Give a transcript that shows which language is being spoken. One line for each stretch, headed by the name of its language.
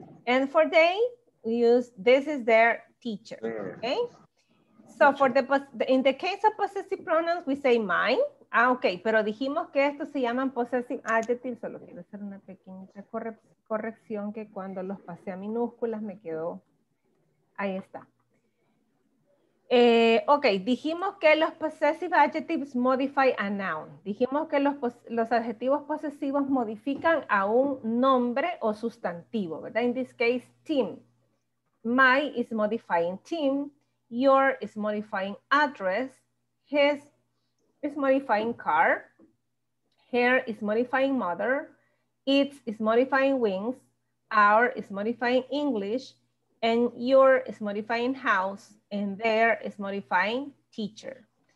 English: And for they, we use this is their teacher. Okay? So for the in the case of possessive pronouns, we say mine.
Spanish: Ah, ok, pero dijimos que estos se llaman possessive adjectives, solo quiero hacer una pequeña corrección que cuando los pasé a minúsculas me quedó, ahí está. Ok, dijimos que los possessive adjectives
English: modify a noun,
Spanish: dijimos que los adjetivos posesivos modifican a un nombre o sustantivo, ¿verdad?
English: In this case, team. My is modifying team, your is modifying address, his is modifying car, hair is modifying mother, it is modifying wings, our is modifying English, and your is modifying house, and their is modifying teacher.